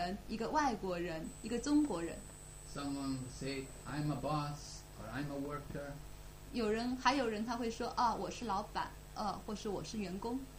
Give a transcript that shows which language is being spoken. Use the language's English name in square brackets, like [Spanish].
[Chinese] 如果我们问别人你是谁，首先他会回答说，我是一个男人，一个女人，一个外国人，一个中国人。 [English] Someone will say, I'm a boss, or I'm a worker. [Chinese] 还有人他会说，我是老板，或是我是员工。